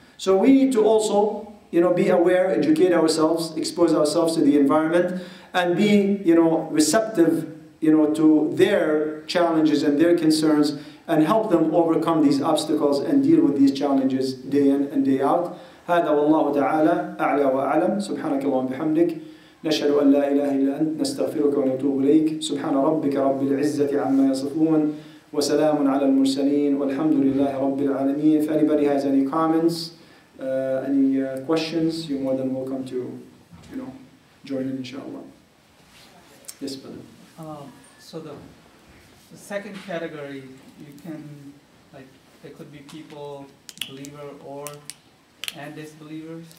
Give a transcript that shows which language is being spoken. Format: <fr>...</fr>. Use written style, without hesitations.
<en>So we need to also, you know, be aware, educate ourselves, expose ourselves to the environment and be, you know, receptive, you know, to their challenges and their concerns and help them overcome these obstacles and deal with these challenges day in and day out.</en> <ar>هذا والله تعالى أعلى وأعلم. سبحانك اللهم وبحمدك نشهد أن لا إله إلا أنت نستغفرك ونتوب إليك. سبحان ربك رب العزة عما يصفون وسلام على المرسلين والحمد لله رب العالمين.</ar> <en>If anybody has any comments, questions, you're more than welcome to, you know, join in, inshallah. Yes, brother. So the second category, you can, like, there could be people, believer or, and disbelievers?</en>